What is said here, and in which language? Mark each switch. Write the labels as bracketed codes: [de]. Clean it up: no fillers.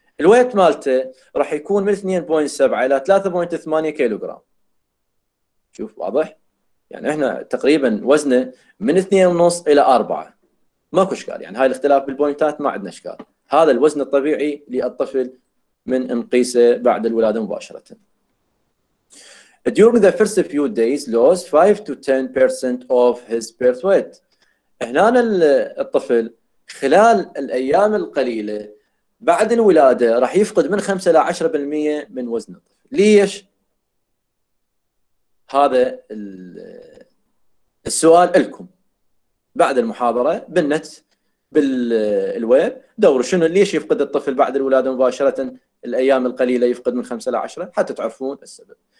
[ar] الويت مالته راح يكون من 2.7 الى 3.8 كيلوغرام، شوف واضح، يعني احنا تقريبا وزنه من 2.5 الى 4، ماكو اشكال، يعني هاي الاختلاف بالبوينتات ما عندنا اشكال، هذا الوزن الطبيعي للطفل من نقيسه بعد الولاده مباشره. [en] During the first few days lost 5 to 10% of his birth weight. [ar] هنا الطفل خلال الايام القليله بعد الولاده راح يفقد من 5 الى 10% من وزنه. ليش؟ هذا السؤال لكم بعد المحاضره بالنت بالويب، دوروا شنو ليش يفقد الطفل بعد الولاده مباشره الايام القليله يفقد من 5 الى 10 حتى تعرفون السبب.